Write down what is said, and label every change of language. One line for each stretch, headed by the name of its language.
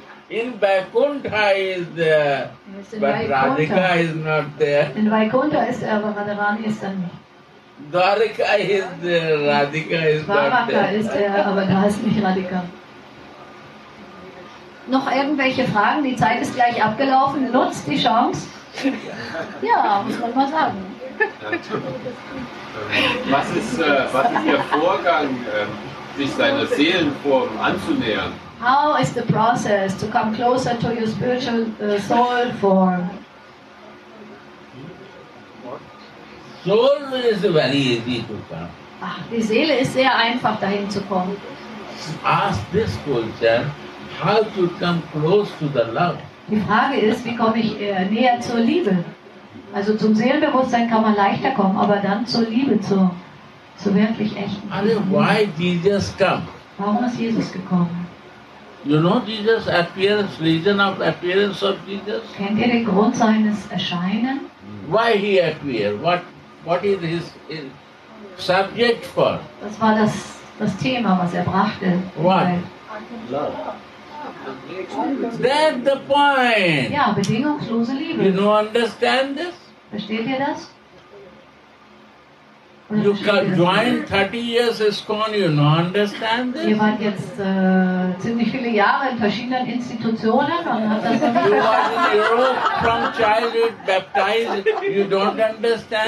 English: In Vaikuntha is there, but Radhika is not there. In Vaikuntha is there, but Radharani is there. Dwarika is there, Radhika is not there.
German: Dwarika ist er, aber da ist nicht Radhika. Noch irgendwelche Fragen? Die Zeit ist gleich abgelaufen. Nutzt die Chance. Ja, muss man mal sagen. Was ist Ihr Vorgang, sich seiner Seelenform anzunähern?
English: How is the process to come closer to your spiritual soul form? Soul is very easy to come.
German: Ach, die Seele ist sehr einfach, dahin zu kommen.
English: Ask this question, how to come close to the love?
German: Die Frage ist, wie komme ich näher zur Liebe? Also zum Seelenbewusstsein kann man leichter kommen, aber dann zur Liebe, zur wirklich echten Liebe.
English: Also, why Jesus come?
German: Warum ist Jesus gekommen?
English: You know Jesus appearance, reason of appearance of Jesus?
German: Kennt ihr den Grund seines Erscheinen?
English: Why he appeared? What is his subject for?
German: Was war das Thema, was er brachte?
English: Why? Love. That's the point.
German: Ja, bedingungslose Liebe.
English: You don't understand this?
German: Versteht ihr das?
English: You can join 30 years ISKCON, you don't understand this?
German: Ihr wart jetzt ziemlich viele Jahre in verschiedenen Institutionen und habt das nicht verstanden.
English: You are in Europe from childhood baptized, you don't understand